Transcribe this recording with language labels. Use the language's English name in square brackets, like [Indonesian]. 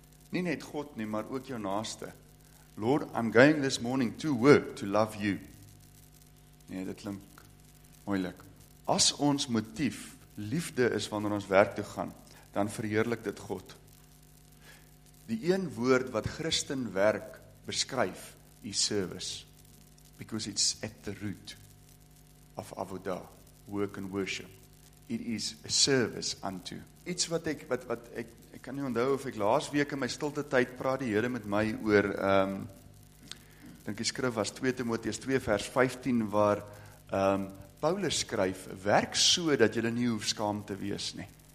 [Afrikaans] Nie net God nie, maar ook jou naaste. [English] Lord, I'm going this morning to work to love you. [Afrikaans] Nee, dit klink moeilik. As ons motief liefde is wanneer ons werk toe gaan, dan verheerlik dit God. Die een woord wat Christen werk beskryf, is service. [English] Because it's at the root of avodah, work and worship. It is a service unto. [Afrikaans] Iets wat ek, ek kan nie onthou of ek laas week in my stilte tyd praat die Here met my oor, dink die skrif was 2 Timoteus 2 vers 15, waar Paulus skryf, werk so dat jy nie hoef skaam te wees nie.